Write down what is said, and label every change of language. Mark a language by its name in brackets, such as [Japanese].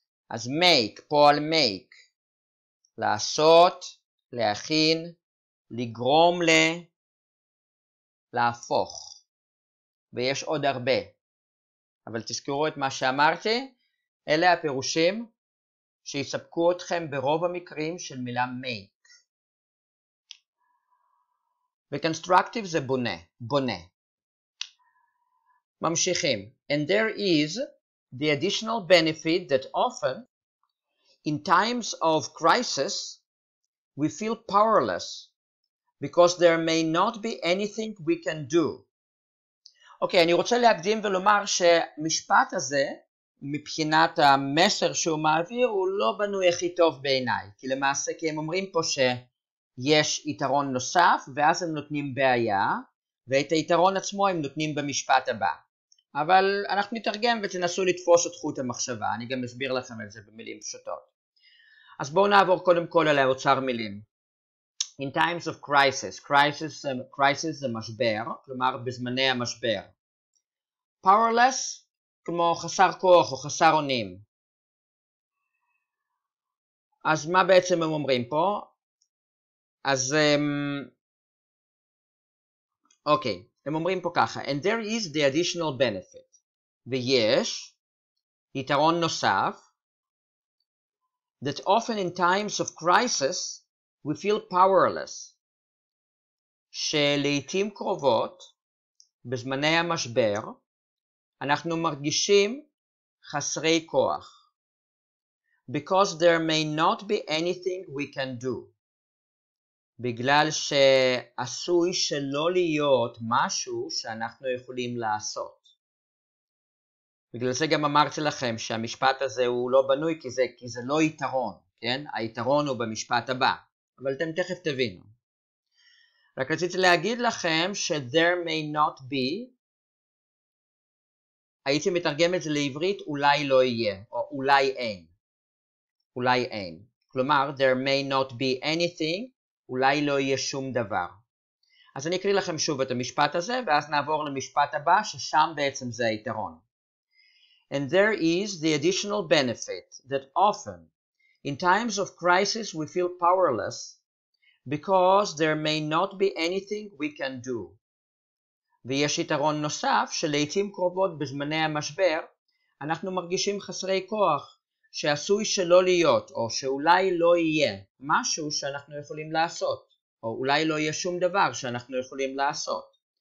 [Hebrew] אז make, פועל make, לעשות, להכין, לגרום ל, להפוך. ויש עוד הרבה. אבל תזכרו את מה שאמרתי, אלה הפירושים שיספקו אתכם ברוב המקרים של מילה make. וconstructive זה בונה, בונה. ממשיכים. [English] And there is the additional benefit that often in times of crisis, we feel powerless because there may not be anything we can do. [Hebrew] אוקיי, אני רוצה להקדים ולומר שמשפט הזה, מבחינת המסר שהוא מעביר, הוא לא בנוי הכי טוב בעיניי. כי למעשה, כי הם אומרים פה שיש יתרון נוסף, ואז הם נותנים בעיה, ואת היתרון עצמו הם נותנים במשפט הבא. אבל אנחנו נתרגם ותנסו לתפוס את חוט המחשבה. אני גם אסביר לכם את זה במילים פשוטות. אז בואו נעבור קודם כל על האוצר מילים. [English] In times of crisis, [Hebrew] crisis זה משבר, כלומר בזמני המשבר. Powerless, כמו חסר כוח או חסר עונים. אז מה בעצם הם אומרים פה? אז אוקיי, הם אומרים פה ככה. [English] And there is the additional benefit. [Hebrew] ויש יתרון נוסף. [English] That often in times of crisis, we feel powerless. [Hebrew] שלעיתים קרובות, בזמני המשבר, אנחנו מרגישים חסרי כוח. [English] Because there may not be anything we can do. [Hebrew] בגלל שעשוי שלא להיות משהו שאנחנו יכולים לעשות. בגלל זה גם אמרתי לכם שהמשפט הזה הוא לא בנוי כי זה לא יתרון, כן? היתרון הוא במשפט הבא. אבל אתם תכף תבינו. רק רציתי להגיד לכם ש- [English] there may not be, [Hebrew] הייתי מתרגם את זה לעברית, אולי לא יהיה, או אולי אין. אולי אין. כלומר, [English] there may not be anything, [Hebrew] אולי לא יהיה שום דבר. אז אני אקריא לכם שוב את המשפט הזה, ואז נעבור למשפט הבא, ששם בעצם זה היתרון. [English] And there is the additional benefit that often, in times of crisis, we feel powerless because there may not be anything we can do. [Hebrew] ויש יתרון נוסף שלעיתים קרובות בזמני המשבר, אנחנו מרגישים חסרי כוח שעשוי שלא להיות או שאולי לא יהיה משהו שאנחנו יכולים לעשות, או אולי לא יהיה שום דבר שאנחנו יכולים לעשות.